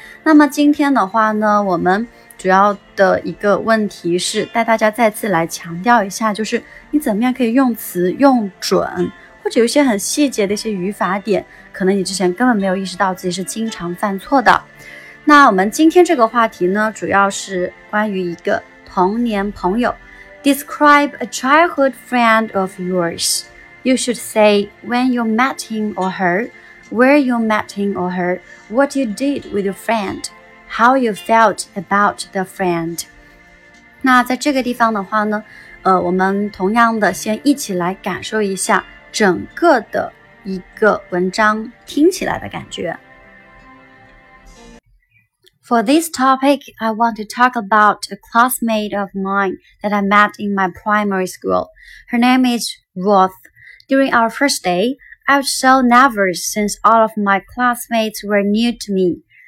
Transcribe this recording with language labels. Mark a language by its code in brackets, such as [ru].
[zh] 那么今天的话呢，我们主要的一个问题是带大家再次来强调一下，就是你怎么样可以用词用准，或者有一些很细节的一些语法点，可能你之前根本没有意识到自己是经常犯错的。那我们今天这个话题呢，主要是关于一个童年朋友。 [en] Describe a childhood friend of yours. You should say when you met him or her, where you met him or her, what you did with your friend, how you felt about the friend. [zh] 那在这个地方的话呢，我们同样的先一起来感受一下整个的一个文章听起来的感觉。 [en] For this topic, I want to talk about a classmate of mine that I met in my primary school. Her name is Ruth. During our first day, I was so nervous since all of my classmates were new to me.